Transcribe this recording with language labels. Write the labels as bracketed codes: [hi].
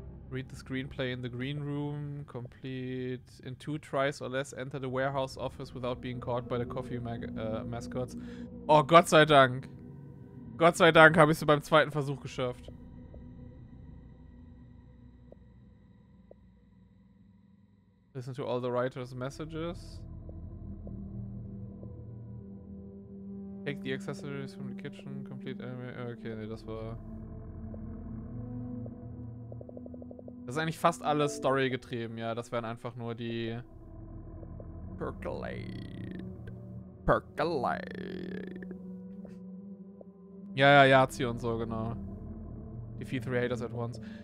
[en] Read the screenplay in the green room, complete. In 2 tries or less, enter the warehouse office without being caught by the coffee mascots. [de] Oh, Gott sei Dank. Gott sei Dank habe ich es beim zweiten Versuch geschafft. [en] Listen to all the writer's messages. Take the accessories from the kitchen, complete anime. [de] Okay, nee, das war. Das ist eigentlich fast alles Story getrieben, ja. Das wären einfach nur die. Percolate. Ja, Yahtzee und so, genau. [en] Defeat 3 Haters at once.